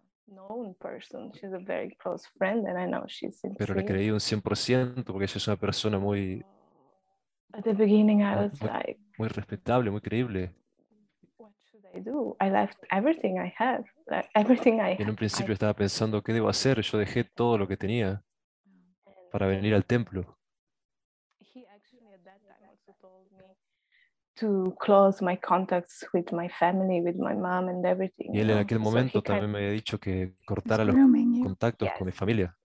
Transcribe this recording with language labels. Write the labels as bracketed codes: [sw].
[en] known person, she's a very close friend and I know she's sincere. [es] Pero le creí un 100% porque ella es una persona muy [en] at the beginning I was like [es] muy respetable, muy creíble. [en] What should I do? I left everything I have, everything I [es] en un principio estaba pensando qué debo hacer, yo dejé todo lo que tenía para venir al templo. [en] He actually at that time also told me to close my contacts with my family, with my mom and everything. [es] Y él en aquel momento so también me había dicho que cortara los contactos con mi familia.